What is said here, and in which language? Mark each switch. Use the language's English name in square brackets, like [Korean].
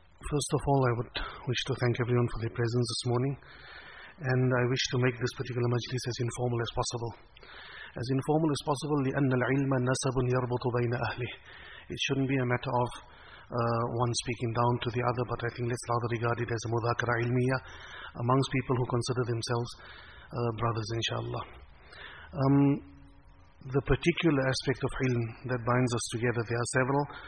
[English] First of all, I would wish to thank everyone for their presence this morning, and I wish to make this particular majlis as informal as possible. As informal as possible, [Arabic] لِأَنَّ الْعِلْمَ نَسَبٌ يَرْبُطُ بَيْنَ أَهْلِهِ. [English] It shouldn't be a matter of one speaking down to the other, but I think let's rather regard it as a [Arabic] مُذَاكَرَ عِلْمِيَّ [English] amongst people who consider themselves brothers, inshallah. The particular aspect of ilm that binds us together, there are several.